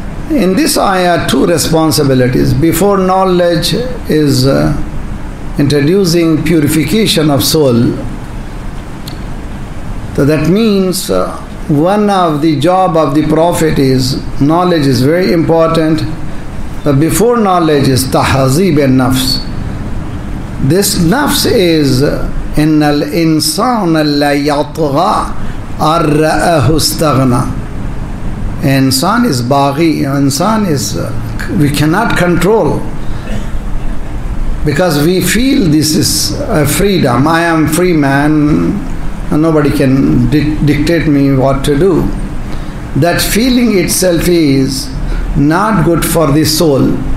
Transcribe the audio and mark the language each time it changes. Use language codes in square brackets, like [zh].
[en] In this ayah, two responsibilities. Before, knowledge is introducing purification of soul. So that means One of the job of the prophet is, knowledge is very important, but before knowledge is tahazib and nafs. This nafs is [ar] إِنَّ الْإِنسَانَ لَيَطْغَى أَرَّأَهُ اسْتَغْنَى. [en] Insan is baghi, insan is, we cannot control, because we feel this is a freedom. I am free man, nobody can dictate me what to do. That feeling itself is not good for the soul.